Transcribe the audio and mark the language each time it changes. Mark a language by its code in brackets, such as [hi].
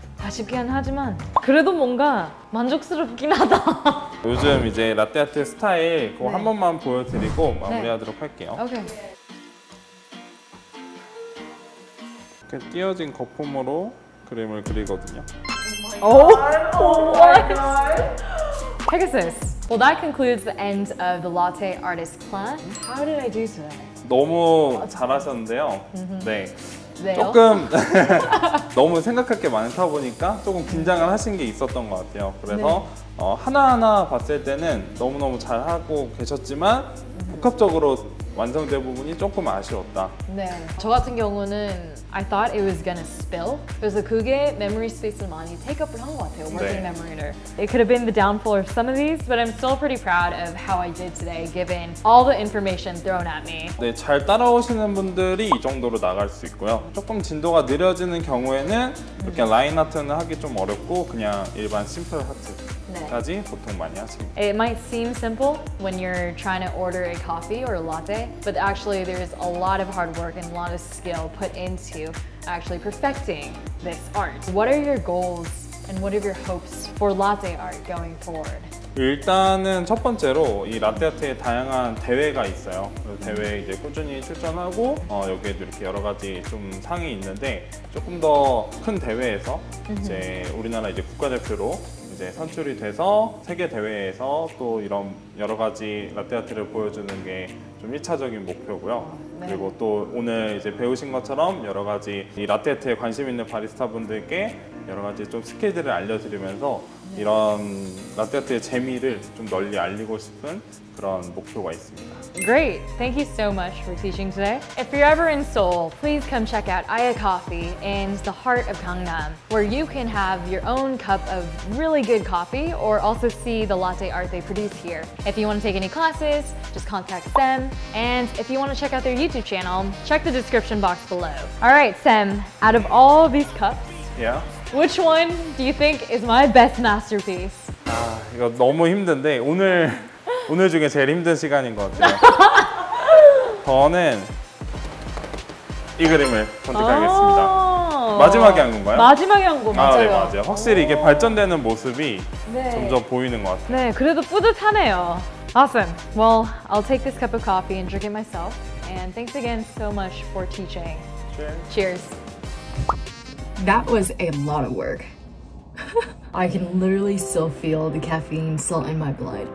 [ko] 아쉽긴 하지만 그래도 뭔가 만족스럽긴 하다. 요즘 이제 라떼아트 스타일 그거 네. 한 번만 보여드리고 마무리하도록 네. 할게요. 오케이. 이렇게 띄어진 거품으로 그림을 그리거든요. [en] 오 마이 갓. Pegasus. Well, that concludes the end of the Latte Artist Class. How did I do today? [ko] 너무 잘하셨는데요. 네. 조금 너무 생각할 게 많다 보니까 조금 긴장을 하신 게 있었던 것 같아요. 그래서 네. 하나하나 봤을 때는 너무너무 잘하고 계셨지만 복합적으로 완성된 부분이 조금 아쉬웠다. 네. 저 같은 경우는 [en] I thought it was gonna spill. [ko] 그래서 그게 [en] memory space [ko] 를 많이 [en] take up [ko] 을 한 것 같아요. [en] Working 네. memory를. It could have been the downfall of some of these, but I'm still pretty proud of how I did today, given all the information thrown at me. [ko] 네, 잘 따라오시는 분들이 이 정도로 나갈 수 있고요. 조금 진도가 느려지는 경우에는 이렇게 라인 하트는 하기 좀 어렵고 그냥 일반 심플 하트. 네. [en] It might seem simple when you're trying to order a coffee or a latte, but actually there's a lot of hard work and a lot of skill put into actually perfecting this art. What are your goals and what are your hopes for latte art going forward? [ko] 일단은 첫 번째로 이 라떼아트에 다양한 대회가 있어요. 대회에 이제 꾸준히 출전하고 여기에도 이렇게 여러 가지 좀 상이 있는데 조금 더 큰 대회에서 이제 우리나라 이제 국가대표로 이제 선출이 돼서 세계 대회에서 또 이런 여러 가지 라떼아트를 보여주는 게 좀 1차적인 목표고요. 네. 그리고 또 오늘 이제 배우신 것처럼 여러 가지 이 라떼아트에 관심 있는 바리스타 분들께 여러 가지 좀 스케줄을 알려드리면서 네. 이런 라떼아트의 재미를 좀 널리 알리고 싶은 그런 목표가 있습니다. [en] Great! Thank you so much for teaching today. If you're ever in Seoul, please come check out Aya Coffee in the heart of Gangnam, where you can have your own cup of really good coffee or also see the latte art they produce here. If you want to take any classes, just contact them. And if you want to check out their YouTube channel, check the description box below. All right, Sam, out of all these cups, yeah. which one do you think is my best masterpiece? [ko] 아, 이거 너무 힘든데 오늘 중에 제일 힘든 시간인 것 같아요. 저는 이 그림을 선택하겠습니다. 마지막에 한 건가요? 마지막에 한 거 맞아요. 아, 네, 맞아요. 확실히 이게 발전되는 모습이 네. 점점 보이는 것 같아요. 네, 그래도 뿌듯하네요. [en] Awesome. Well, I'll take this cup of coffee and drink it myself. And thanks again so much for teaching. Cheers. That was a lot of work. I can literally still feel the caffeine still in my blood.